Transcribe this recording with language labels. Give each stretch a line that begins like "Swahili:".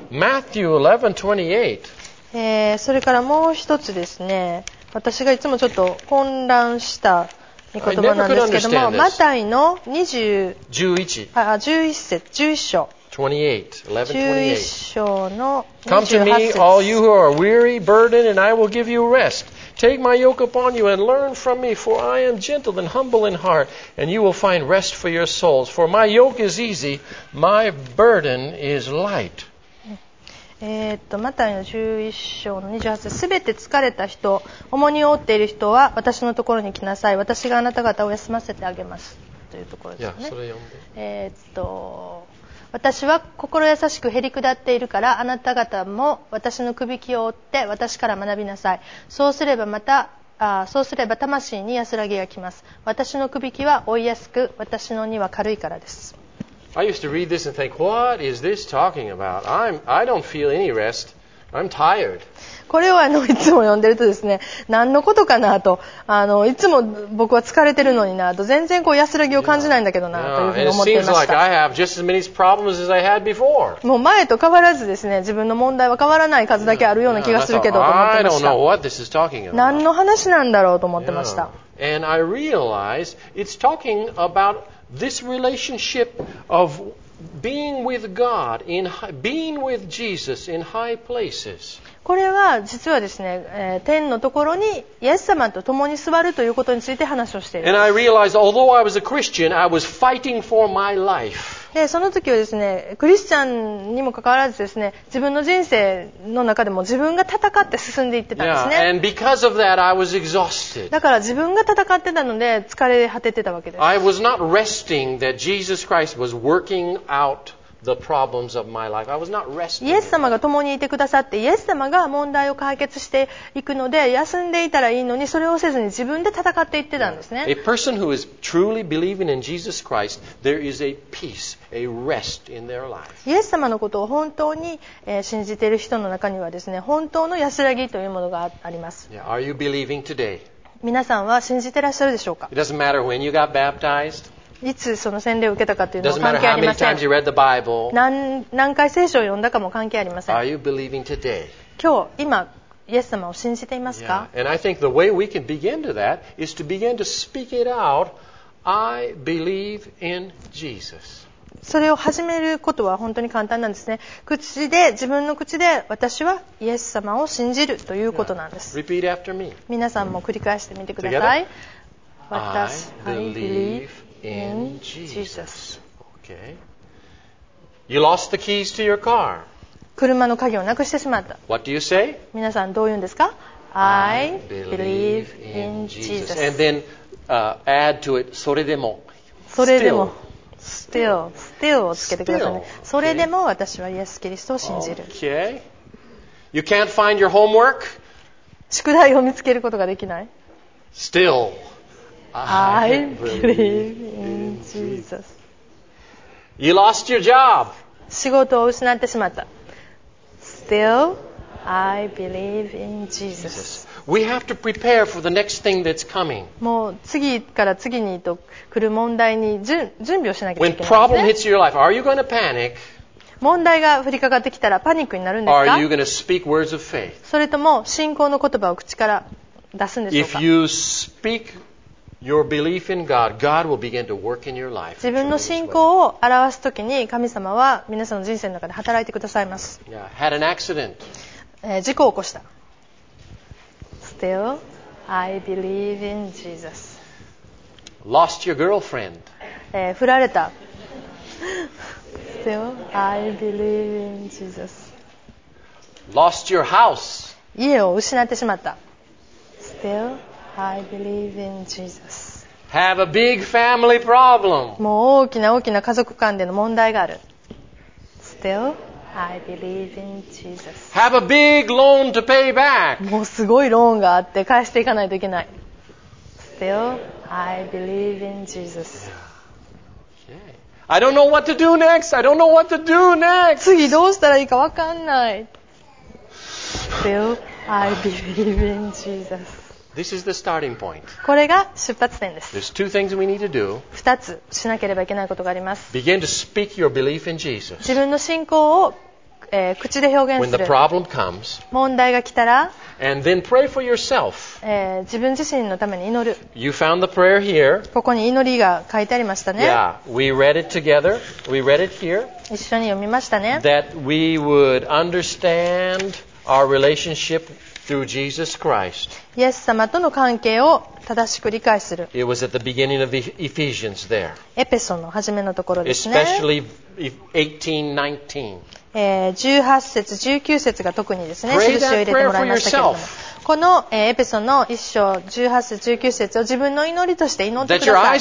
English: Matthew 11:28.
Japanese: それからもう一つですね、私がいつもちょっと混乱した御言葉なんですけども、マタイの 11章の28節。
English: Come to me, all you who are weary, burdened, and I will give you rest. Take my yoke upon you and learn from me, for I am gentle and humble in heart, and you will find rest for your souls. For my yoke is easy, my burden is light.
Japanese: マタイの11章の28節、すべて疲れた人、重荷を負っている人は私のところに来なさい、私があなた方を休ませてあげますというところですね。いや、それ読んで。私は心優しく減り下っているから、あなた方も私の首輝きを負って私から学びなさい。そうすれば魂に安らぎが来ます。私の首輝きは負いやすく、私の荷は軽いからです。
English: I used to read this and think, what is this talking about? I don't feel any rest. I'm tired.
Japanese: これをいつも読んでるとですね、何のことかなと、いつも僕は疲れてるのになと、全然こう安らぎを感じないんだけどなというふうに思っていました。
English: It seems like I have just as many problems as I had before.
Japanese: もう前と変わらずですね、自分の問題は変わらない数だけあるような気がするけどと思ってました。
English: I don't know what this is talking about.
Japanese: 何の話なんだろうと思ってました。
English: And I realize it's talking aboutThis relationship of being with God, in being with Jesus in high places.
Japanese: これは実はですね、天のところにイエス様と共に座るということについて話をしている。
English: And I realized, although I was a Christian, I was fighting for my life.
Japanese: その時はですね、クリスチャンにもかかわらずですね、自分の人生の中でも自分が戦って進んでいってたんですね。
English: Yeah, and because of that, I was exhausted.
Japanese: だから自分が戦ってたので疲れ果ててたわけです。
English: I was not resting that Jesus Christ was working out the problems of my life. I was not resting.
Japanese: イエス様が共にいてくださって、イエス様が問題を解決していくので、休んでいたらいいのに、それをせずに自分で戦っていってたんですね。
English: A person who is truly believing in Jesus Christ, there is a peace, a rest in their life.
Japanese: イエス様のことを本当に信じている人の中にはですね、本当の安らぎというものがあります。
English: Yeah, are you believing today?
Japanese: 皆さんは信じてらっしゃるでしょうか? It doesn't matter when you got baptized. いつその洗礼を受けたかというのは関係ありません。何回聖書を読んだかも関係ありません。
English: Are you believing today?
Japanese: 今日、今、イエス様を信じていますか?
English: Yeah. And I think the way we can begin to that is to begin to speak it out. I believe in Jesus.
Japanese: それを始めることは本当に簡単なんですね。自分の口で私はイエス様を信じるということなんです。
English: Repeat after me.
Japanese: 皆さんも繰り返してみてください。
English: Together? I believeIn Jesus. Okay. You lost the keys to your car.
Japanese: 車の鍵をなくしてしまった。
English: What do you say?
Japanese: 皆さんどう言うんですか?
English: I believe in Jesus. And then, add to it,
Japanese: それでも。それでも。
English: Still. Still
Japanese: をつけてくださいね。それでも私はイエス・キリストを信じる。
English: Okay. You can't find your homework?
Japanese: 宿題を見つけることができない。
English: Still. I believe in Jesus. You lost your job.
Japanese: 仕事を失ってしまった。
English: Still, I believe in Jesus. We have to prepare for the next thing that's coming.
Japanese: もう次から次にと来る問題に準備をしなきゃいけないですね。
English: When problem hits your life, are you going to panic?
Japanese: 問題が降りかかってきたらパニックになるんですか?
English: Are you going to speak words of faith?
Japanese: それとも信仰の言葉を口から出すんでしょうか?
English: If you speak your belief in God, God will begin to work in your life.
Japanese: 自分の信仰を表すときに神様は皆さんの人生の中で働いてくださいます。
English: Yeah, had an accident.
Japanese: 事故を起こした。
English: Still, I believe in Jesus. Lost your girlfriend.
Japanese: 振られた。
English: Still, I believe in Jesus. Lost your house.
Japanese: 家を失ってしまった。
English: Still, I believe in Jesus. Have a big family problem.
Japanese: もう大きな大きな家族間での問題がある。
English: Still. I believe in Jesus. Have a big loan to pay back.
Japanese: もうすごいローンがあって返していかないといけない。
English: Still, I believe in Jesus. Okay. I don't know what to do next. I don't know what to do next.
Japanese: 次どうしたらいいかわかんない。
English: Still, I believe in Jesus. This is the starting point.
Japanese: これが出発点です。
English: There's two things we need to do.
Japanese: 二つしなければいけないことがあります。
English: Begin to speak your belief in Jesus.
Japanese: 自分の信仰を口で表現する。
English: When the problem comes.
Japanese: 問題が来たら。
English: And then pray for yourself.
Japanese: 自分自身のために祈る。
English: You found the prayer here.
Japanese: ここに祈りが書いてありましたね。
English: Yeah, we read it together. We read it here.
Japanese: 一緒に読みましたね。
English: That we would understand our relationship with Through Jesus Christ.
Japanese: イエス様との関係を正しく理解する。
English: It was at the beginning of the Ephesians there.
Japanese: エペソの初めのところですね。
English: Especially 18:19.
Japanese: 18節19節が特にですね、印を入れてもらいましたけれども。このエペソの一章18節19節を自分の祈りとして祈ってください。